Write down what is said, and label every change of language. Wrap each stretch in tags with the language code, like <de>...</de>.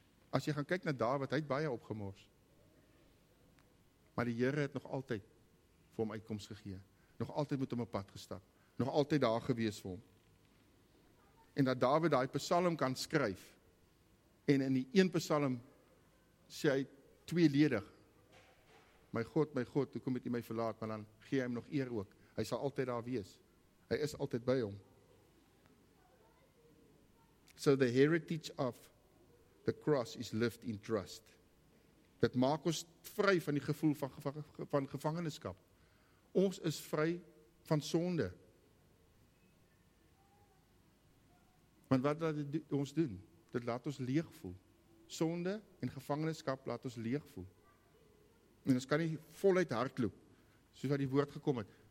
<af>As jy gaan kyk na Dawid, hy het baie opgemors. Maar die Here het nog altyd vir hom uitkoms gegee. Nog altyd met hom op pad gestap. Nog altyd daar gewees vir hom. En dat Dawid daai psalm kan skryf, En in die een psalm sê hy tweeledig. My God, hoekom het u my verlaat? Maar dan gee hy hem nog eer ook. Hy sal altyd daar wees. Hy is altyd by hom.</af> <en>So the heritage of the cross is lived in trust.</en> <af>Dit maak ons vry van die gevoel van gevangenskap. Ons is vry van sonde. Want wat laat dit ons doen? Dit laat ons leeg voel. Sonde en gevangenskap laat ons leeg voel. En ons kan nie voluit hardloop, soos wat die woord gekom het.</af>